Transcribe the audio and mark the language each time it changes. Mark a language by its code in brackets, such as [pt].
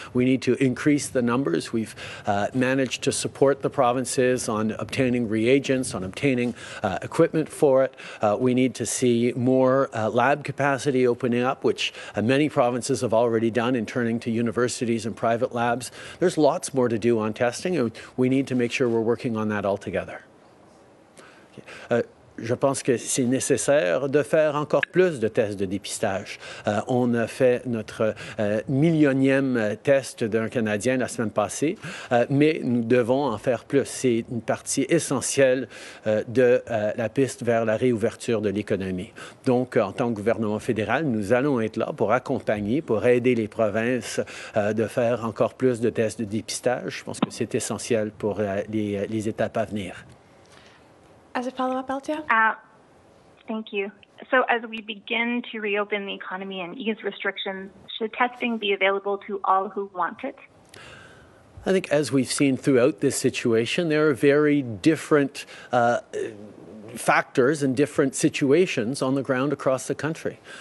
[en] We need to increase the numbers. We've managed to support the provinces on obtaining reagents, on obtaining equipment for it. We need to see more lab capacity opening up, which many provinces have already done in turning to universities and private labs. There's lots more to do on testing, and we need to make sure we're working on that all together. [fr] Je pense que c'est nécessaire de faire encore plus de tests de dépistage. On a fait notre millionième test d'un Canadien la semaine passée, mais nous devons en faire plus. C'est une partie essentielle de la piste vers la réouverture de l'économie. Donc, en tant que gouvernement fédéral, nous allons être là pour accompagner, pour aider les provinces de faire encore plus de tests de dépistage. Je pense que c'est essentiel pour les étapes à venir. [en] As a follow-up, Althea? Thank you. So as we begin to reopen the economy and ease restrictions, should testing be available to all who want it? I think as we've seen throughout this situation, there are very different factors and different situations on the ground across the country.